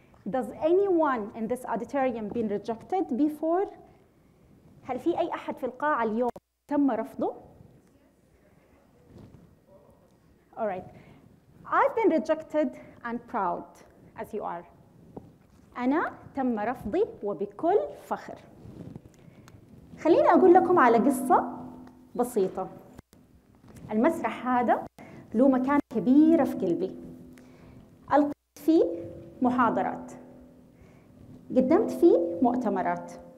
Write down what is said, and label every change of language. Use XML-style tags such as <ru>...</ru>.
<en>Does anyone in this auditorium been rejected before?</en> <ar>هل في أي أحد في القاعة اليوم تم رفضه؟</ar> <en>All right. I've been rejected and proud, as you are.</en> <ar>أنا تم رفضي وبكل فخر. خليني أقول لكم على قصة بسيطة. المسرح هذا له مكانة كبيرة في قلبي. ألقيت فيه محاضرات. قدمت فيه مؤتمرات.</ar>